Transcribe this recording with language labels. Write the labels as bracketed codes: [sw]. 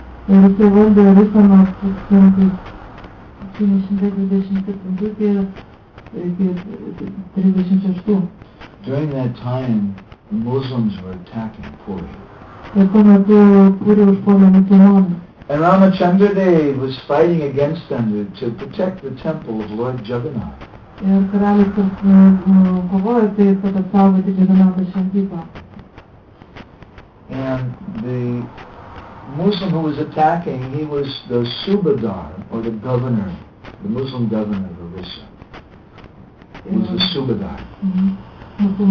[en] During that time, the Muslims were attacking Puri. And Ramachandra Dev was fighting against them to protect the temple of Lord Jagannath. [lt] Ir karalius kovojo su jais, kad apsaugoti gyvenantį šventyklą. [en] And the Muslim who was attacking, he was the subadar, or the governor, the Muslim governor of Orissa. He was the subadar.